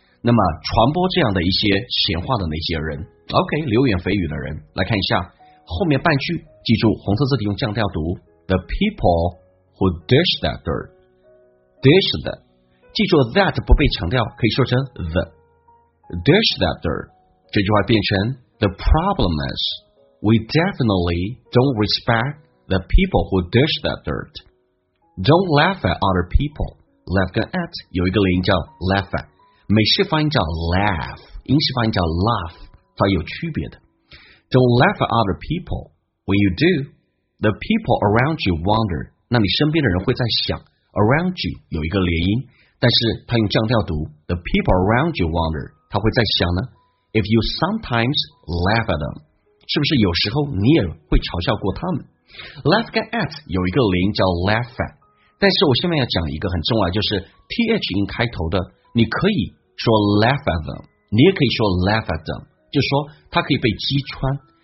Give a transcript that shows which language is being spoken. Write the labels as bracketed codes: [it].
[zh] 那么传播这样的一些闲话的那些人 ，OK， 流言蜚语的人，来看一下后面半句，记住红色字体用降调读 [en] the people who dish that dirt, [zh] dish the， 记住 that 不被强调，可以说成 [en] the dish that dirt。 [zh] 这句话变成 [en] The problem is, we definitely don't respect the people who dish that dirt. Don't laugh at other people. [zh] Laugh 跟 at 有一个连音叫 laugh at， 美式发音叫 laugh， 英式发音叫 laugh， 它有区别的。 [en] Don't laugh at other people. When you do, the people around you wonder. [zh] 那你身边的人会在想 around you 有一个连音，但是它用降调读 [en] the people around you wonder， [zh] 它会在想呢？ [en] If you sometimes laugh at them， [zh] 是不是有时候你也会嘲笑过他们？ Laugh 跟 at 有一个连音叫 laugh at， 但是我下面要讲一个很重要，就是 th 音开头的，你可以说 [en] laugh at them， [zh] 你也可以说 laugh at them， 就说它可以被击穿。